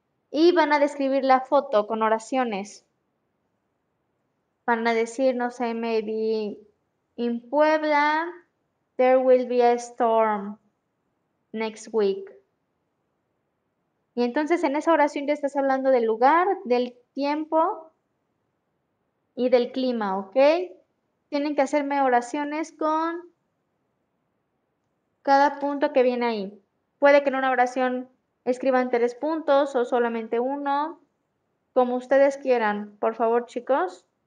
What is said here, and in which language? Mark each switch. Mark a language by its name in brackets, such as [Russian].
[Spanish] Y van a describir la foto con oraciones. Van a decir, no sé, [English] maybe. In Puebla, there will be a storm next week. [Spanish] Y entonces en esa oración ya estás hablando del lugar, del tiempo y del clima, ¿ok? Tienen que hacerme oraciones con cada punto que viene ahí. Puede que en una oración escriban tres puntos o solamente uno, como ustedes quieran, por favor, chicos.